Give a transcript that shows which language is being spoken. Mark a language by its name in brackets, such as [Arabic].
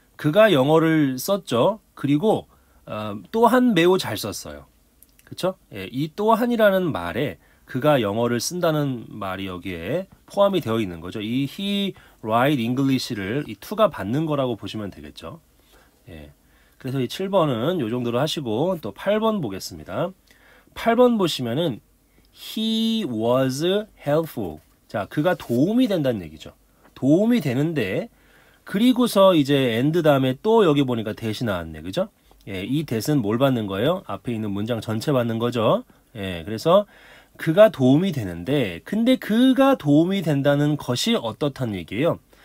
[Korean] 그가 영어를 썼죠. 그리고 또한 매우 잘 썼어요. 그쵸? 예, 이 또한이라는 말에 그가 영어를 쓴다는 말이 여기에 포함이 되어 있는 거죠. 이 [English] he write English [Korean] 를 이 투가 받는 거라고 보시면 되겠죠. 예. 그래서 이 7번은 요 정도로 하시고 또 8번 보겠습니다. 8번 보시면은 [English] he was helpful. [Korean] 자, 그가 도움이 된다는 얘기죠. 도움이 되는데 그리고서 이제 end 다음에 또 여기 보니까 that이 나왔네. 그죠? 예, 이 that은 뭘 받는 거예요? 앞에 있는 문장 전체 받는 거죠. 예, 그래서 그가 도움이 되는데 근데 그가 도움이 된다는 것이 어떻다는 얘기예요?